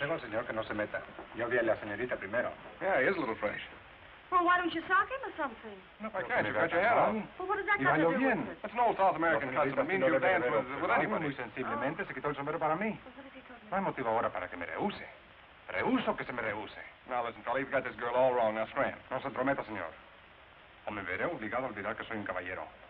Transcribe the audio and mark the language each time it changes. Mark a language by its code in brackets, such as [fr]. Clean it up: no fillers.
[es] Le aconsejo, señor, que no se meta. Yo vi a la señorita primero. [en] Yeah, he is a little fresh. Well, why don't you sock him or something? No, I can't. You've got your head off. Well, what does that have to do with it? That's an old South American custom. It means you dance with anybody. [es] Muy sensiblemente, se quitó el sombrero para mí. No hay motivo ahora para que me rehuse. Rehuso que se me rehuse. [en] Now, listen, Carole, you've got this girl all wrong. Now, scram. [es] No se prometa, señor. O me veré obligado a olvidar que soy un caballero.